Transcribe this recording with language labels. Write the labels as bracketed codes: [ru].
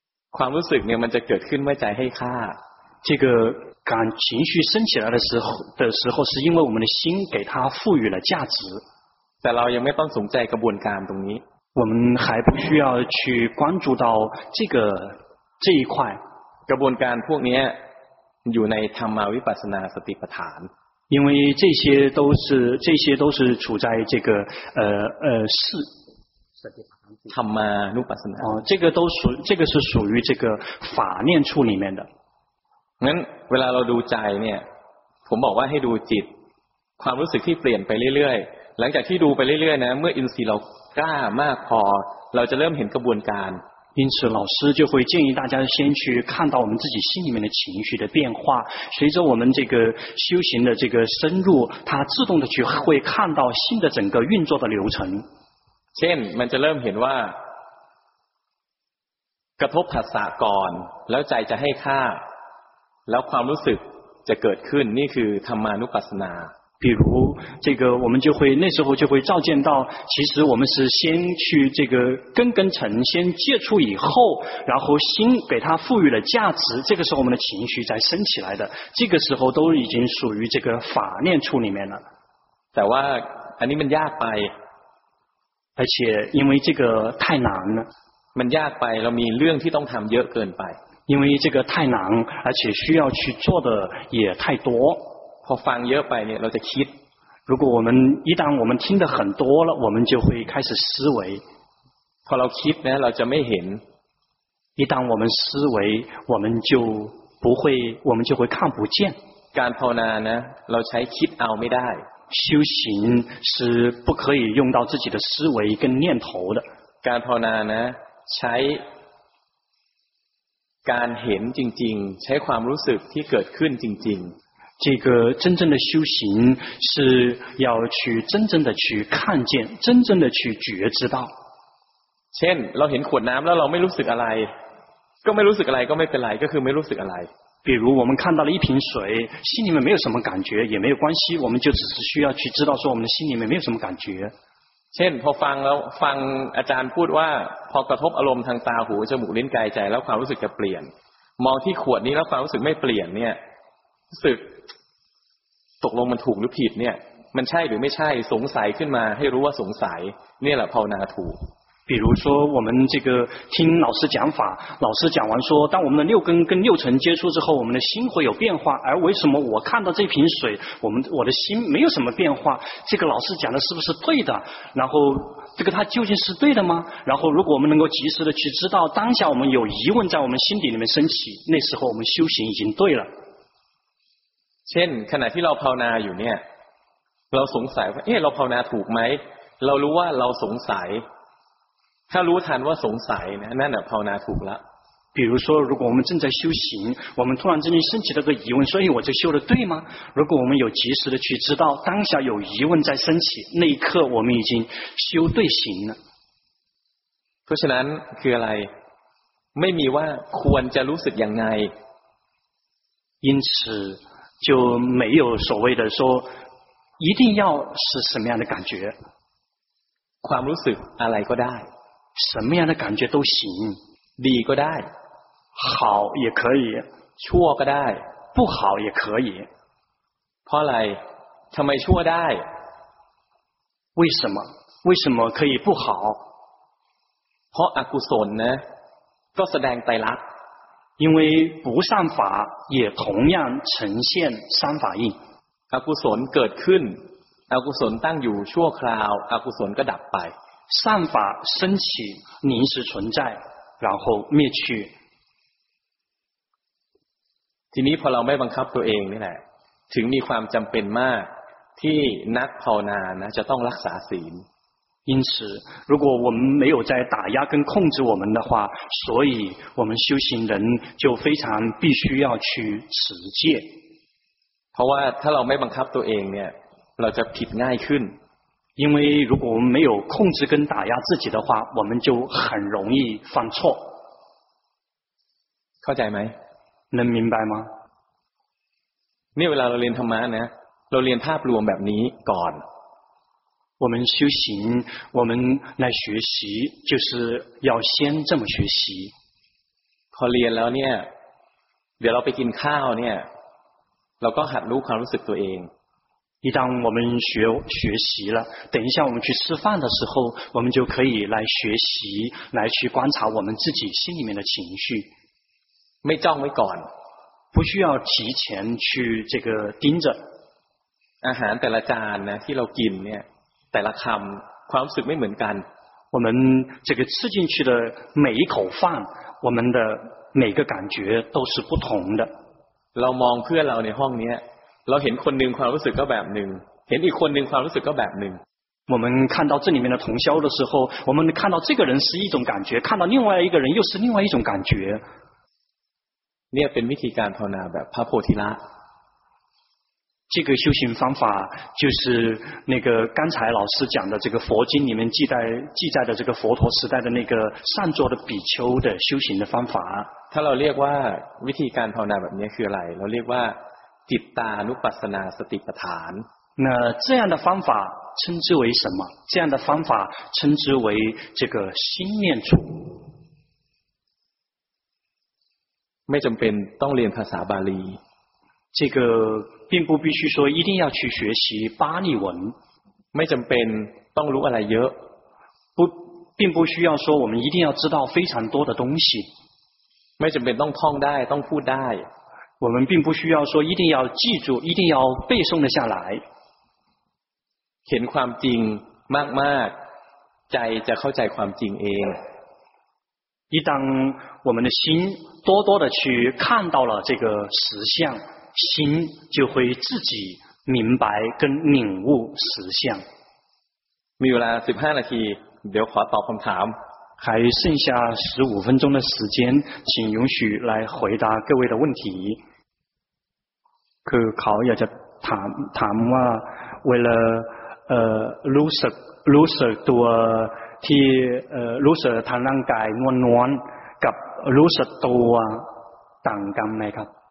[th] ความรู้สึกเนี่ยมันจะเกิดขึ้นเมื่อใจให้ค่า [zh] 这个感情绪升起来的时候是因为我们的心给他赋予了价值 [th] แต่เรายังไม่ต้องสนใจกระบวนการตรงนี้ [zh] 我们还不需要去关注到这一块 [th] กระบวนการพวกนี้อยู่ในธรรมวิปัสสนาสติปัฏฐาน [zh] 因为这些都是处在这个是 [th] สติปัฏฐานธรรมานุปัสสนา [zh] 这个是属于这个法念处里面的 [th] งั้นเวลาเราดูใจเนี่ยผมบอกว่าให้ดูจิตความรู้สึกที่เปลี่ยนไปเรื่อยๆหลังจากที่ดูไปเรื่อยๆนะเมื่ออินทรีย์เรากล้ามากพอเราจะเริ่มเห็นกระบวนการ [zh] 因此老师就会建议大家先去看到我们自己心里面的情绪的变化随着我们这个修行的这个深入它自动的去会看到心的整个运作的流程 [th] เช่นมันจะเริ่มเห็นว่ากระทบผัสสะก่อนแล้วใจจะให้ค่าแล้วความรู้สึกจะเกิดขึ้นนี่คือธรรมานุปัสสนา [zh] 比如这个我们就会那时候就会照见到其实我们是先去这个根跟尘先接触以后然后心给它赋予了价值这个时候我们的情绪才升起来的这个时候都已经属于这个法念处里面了 [th] แต่ว่าอันนี้มันยากไป [zh] 而且因为这个太难了 [th] มันยากไปเรามีเรื่องที่ต้องทำเยอะเกินไป [zh] 因为这个太难而且需要去做的也太多 [th] พอฟังเยอะไปเนี่ยเราจะคิด [zh] 如果我们一旦我们听得很多了我们就会开始思维 [th] พอเราคิดเนี่ยเราจะไม่เห็น [zh] 一旦我们思维我们就会看不见 [th] การภาวนานะเราใช้คิดเอาไม่ได้ [zh] 修行是不可以用到自己的思维跟念头的 [th] การภาวนานะใช้การเห็นจริงๆใช้ความรู้สึกที่เกิดขึ้นจริงๆ [zh] 这个真正的修行是要去真正的去看见真正的去觉知到 [th] เช่นเราเห็นขวดน้ำแล้วเราไม่รู้สึกอะไรก็ไม่รู้สึกอะไรก็ไม่เป็นไรก็คือไม่รู้สึกอะไร [zh] 比如我们看到了一瓶水，心里面没有什么感觉，也没有关系，我们就只是需要去知道说我们的心里面没有什么感觉。 [th] เช่นพอฟังแล้วฟังอาจารย์พูดว่าพอกระทบอารมณ์ทางตาหูจมูกลิ้นกายใจแล้วความรู้สึกจะเปลี่ยนมองที่ขวดนี้แล้วความรู้สึกไม่เปลี่ยนเนี่ยรู้สึกตกลงมันถูกหรือผิดเนี่ยมันใช่หรือไม่ใช่สงสัยขึ้นมาให้รู้ว่าสงสัยเนี่ยแหละภาวนาถูก [zh] 比如说我们这个听老师讲法，老师讲完说，当我们的六根跟六尘接触之后，我们的心会有变化。而为什么我看到这瓶水，我的心没有什么变化？这个老师讲的是不是对的？然后这个它究竟是对的吗？然后如果我们能够及时的去知道，当下我们有疑问在我们心底里面升起，那时候我们修行已经对了。 [th] เช่นขณะที่เราภาวนาอยู่เนี่ยเราสงสัยว่าเอ๊ะเราภาวนาถูกไหมเรารู้ว่าเราสงสัยถ้ารู้ทันว่าสงสัยนะนั่นน่ะภาวนาถูกแล้ว [zh] 比如说如果我们正在修行我们突然之间升起了个疑问所以我这修的对吗如果我们有及时的去知道当下有疑问在升起那一刻我们已经修对行了 [th] เพราะฉะนั้นคืออะไรไม่มีว่าควรจะรู้สึกยังไง [zh] 因此就没有所谓的说一定要是什么样的感觉 [th] ความรู้สึกอะไรก็ได้ [zh] 什么样的感觉都行 [th] ดีก็ได้ [zh] 好也可以 [th] ชั่วก็ได้ [zh] 不好也可以 [th] เพราะอะไรทำไมชั่วได้ [zh] 为什么可以不好 [th] เพราะอกุศลนะก็แสดงไตรลักษณ์ [zh] 因为不善法也同样呈现三法印 [th] อกุศลเกิดขึ้นอกุศลตั้งอยู่ชั่วคราวอกุศลก็ดับไป [zh] 善法升起临时存在然后灭去 [th] ทีนี้พอเราไม่บังคับตัวเองนี่แหละถึงมีความจำเป็นมากที่นักภาวนานะจะต้องรักษาศีล [zh] 因此如果我们没有在打压跟控制我们的话所以我们修行人就非常必须要去持戒 [th] เพราะว่าถ้าเราไม่บังคับตัวเองเนี่ยเราจะผิดง่ายขึ้น [zh] 因为如果我们没有控制跟打压自己的话，我们就很容易犯错。靠仔没？能明白吗？没有啦，我练他妈呢，我练他不如我们แบบนี้ก่อน。我们修行，我们来学习，就是要先这么学习。 [th] พอเรียนแล้วเนี่ย，เดี๋ยวเราไปกินข้าวเนี่ย，เราก็หัดรู้ความรู้สึกตัวเอง。 [zh] 一旦我们学习了，等一下我们去吃饭的时候，我们就可以来学习，来去观察我们自己心里面的情绪。没照没管，不需要提前去这个盯着。 [th] อาหารแต่ละจานนะที่เรากินเนี่ยแต่ละคำความรู้สึกไม่เหมือนกัน。 [zh] 我们这个吃进去的每一口饭，我们的每个感觉都是不同的。 [th] เรามองเพื่อเราในห้องเนี้ยเราเห็นคนหนึ่งความรู้สึกก็แบบหนึ่งเห็นอีกคนหนึ่งความรู้สึกก็แบบหนึ่ง [zh] 我们看到这里面的同修的时候我们看到这个人是一种感觉看到另外一个人又是另外一种感觉 [th] เนี่ยเป็นวิธีการภาวนาแบบพระโพธิละ [zh] 这个修行方法就是那个刚才老师讲的这个佛经里面记载的这个佛陀时代的那个善坐的比丘的修行的方法 [th] ถ้าเราเรียกว่าวิธีการภาวนาแบบนี้คืออะไรเราเรียกว่าจิตตานุปัสสนาสติปัฏฐาน [zh] 那这样的方法称之为什么这样的方法称之为这个心念处 [th] ไม่จำเป็นต้องเรียนภาษาบาลี [zh] 这个并不必须说一定要去学习巴利文 [th] ไม่จำเป็นต้องรู้อะไรเยอะ [zh] 并不需要说我们一定要知道非常多的东西 [th] ไม่จำเป็นต้องท่องได้ต้องพูดได้ [zh] 我们并不需要说一定要记住一定要背诵的下来 [th] เห็นความจริงมากๆใจจะเข้าใจความจริงเอง [zh] 一旦我们的心多多的去看到了这个实相心就会自己明白跟领悟实相 [th] มีเวลา15นาทีเดี๋ยวขอตอบคำถาม [zh] 还剩下15分钟的时间请允许来回答各位的问题 [th] คือเขาอยากจะถามว่าเวลารู้สึกตัวที่รู้สึกทางร่างกายนวลๆกับรู้สึกตัวต่างกันไหมครับ